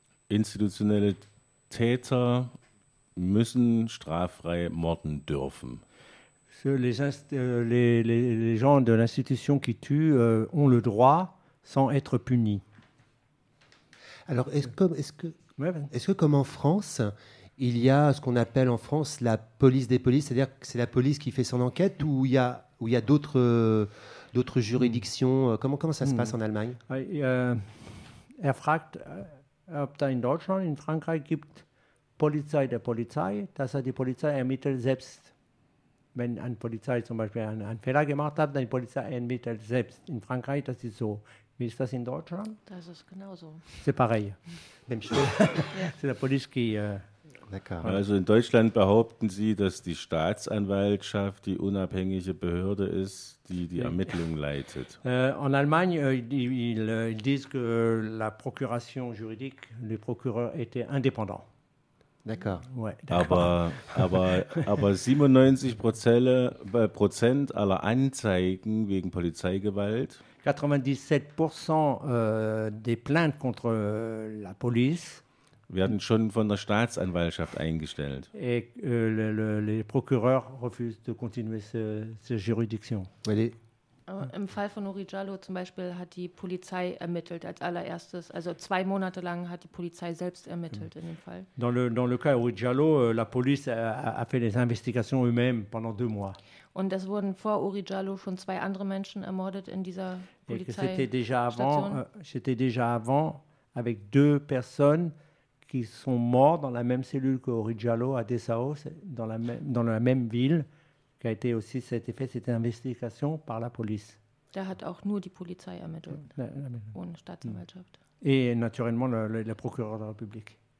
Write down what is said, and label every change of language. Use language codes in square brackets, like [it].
[de] Institutionelle Täter müssen straffrei morden dürfen. [fr] Les gens de l'institution qui tue ont le droit sans être punis. Alors, est-ce que comme en France, il y a ce qu'on appelle en France la police des polices, c'est-à-dire que c'est la police qui fait son enquête ou il y a d'autres juridictions? Comment ça se passe en Allemagne? [de] Er fragt, ob da in Deutschland, in Frankreich gibt Polizei der Polizei, dass die Polizei ermittelt selbst. Wenn eine Polizei zum Beispiel einen Fehler gemacht hat, dann die Polizei ermittelt selbst. In Frankreich, das ist so. Wie ist das in Deutschland? Das ist genauso. [fr] C'est pareil. Même chose. C'est la police qui... [de] Also in Deutschland behaupten Sie, dass die Staatsanwaltschaft die unabhängige Behörde ist, die die Ermittlungen leitet. [fr] En Allemagne, ils disent que la procuration juridique, le procureur était indépendant. D'accord. Ouais, d'accord. [de] Aber 97% aller Anzeigen wegen Polizeigewalt [fr] 97% des plaintes contre la police [de] werden schon von der Staatsanwaltschaft eingestellt. [fr] Et les procureurs refusent de continuer cette juridiction. Allez. [de] Im Fall von Uri Jalloh zum Beispiel hat die Polizei ermittelt als allererstes. Also 2 Monate lang hat die Polizei selbst ermittelt in dem Fall. [fr] Dans le cas Uri Jalloh, la police a fait les investigations eux-mêmes pendant 2 mois. [de] Und es wurden vor Uri Jalloh schon 2 andere Menschen ermordet in dieser Polizeistation. [fr] C'était déjà avant. J'étais déjà avant avec 2 personnes qui sont mortes dans la même cellule que Uri Jalloh à Dessau, dans la même ville. Qui a été aussi cet effet, cette investigation par la police. [de] Da hat auch nur die Polizei ermittelt, ohne Staatsanwaltschaft. [fr] Et naturellement le procureur de la République.